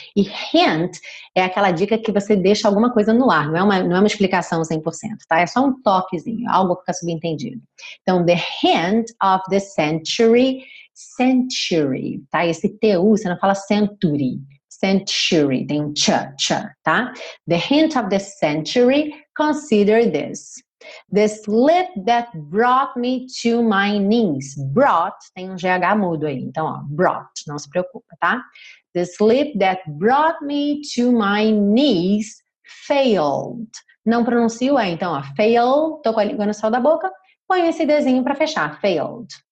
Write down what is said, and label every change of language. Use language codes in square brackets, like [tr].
[pt] E hint é aquela dica que você deixa alguma coisa no ar, não é uma explicação 100%, tá? É só um toquezinho, algo que fica subentendido. Então, [en] the hint of the century, [pt] century, tá? Esse T-U, você não fala century, century, tem um ch, tá? [en] The hint of the century, consider this. The slip that brought me to my knees. [pt] Brought, tem um GH mudo aí, então, ó, brought, não se preocupa, tá? [en] The slip that brought me to my knees failed. [pt] Não pronuncio é, então, ó, fail, tô com a língua no céu da boca, põe esse desenho pra fechar, failed.